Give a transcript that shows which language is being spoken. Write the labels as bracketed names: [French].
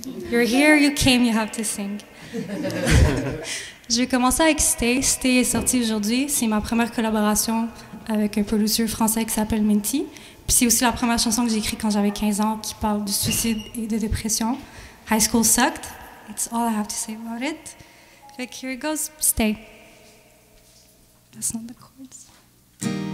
[English] You're here, you came, you have to sing. [French] J'ai commencé avec Stay. Stay est sorti aujourd'hui. C'est ma première collaboration avec un producer français qui s'appelle Minty. Puis c'est aussi la première chanson que j'ai écrite quand j'avais 15 ans qui parle de suicide et de dépression. [English] High school sucked. That's all I have to say about it. [French] Fait que [English] here it goes, Stay. That's not the chords.